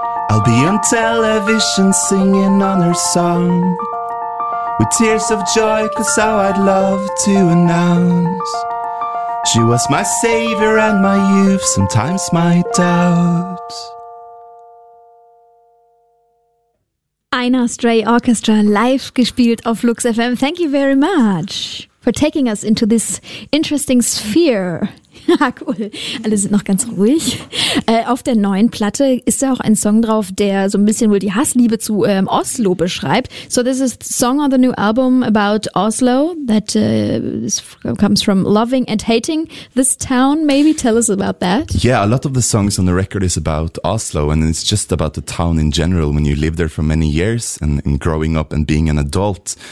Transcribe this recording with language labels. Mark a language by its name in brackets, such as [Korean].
[English] I'll be on television singing on her song with tears of joy, cause how I'd love to announce she was my savior and my youth, sometimes my doubt. [German] Einar Stray Orchestra live gespielt auf Lux FM. [English] Thank you very much for taking us into this interesting sphere. [German] Ja, cool. Alle sind noch ganz ruhig. Auf der neuen Platte ist ja auch ein Song drauf, der so ein bisschen wohl die Hassliebe zu Oslo beschreibt. [English] So this is the song on the new album about Oslo that comes from loving and hating this town. Maybe tell us about that. Yeah, a lot of the songs on the record is about Oslo, and it's just about the town in general when you live there for many years and growing up and being an adult.